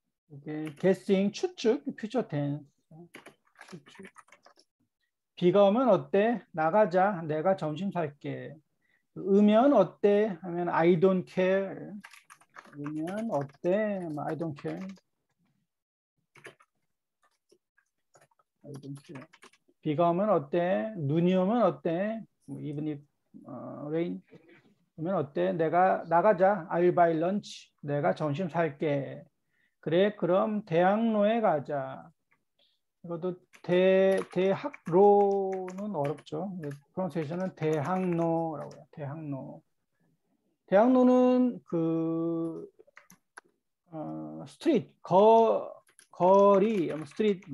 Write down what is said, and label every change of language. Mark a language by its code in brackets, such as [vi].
[en] 이게 guessing 추측, future tense. [ko] 추측. 비가 오면 어때? 나가자. 내가 점심 살게. 으면 어때? 하면 [en] I don't care. [ko] 아니면 어때? [en] I don't care. I don't care. [ko] 비가 오면 어때? 눈이 오면 어때? [en] Even if rain [ko] 오면 어때? 내가 나가자. [en] I'll buy lunch. [ko] 내가 점심 살게. 그래, 그럼 대학로에 가자. 이것도 대학로는 어렵죠. 프로세션은 대학로라고 해요. 대학로. 대학로는 그 스트릿 거리, 스트릿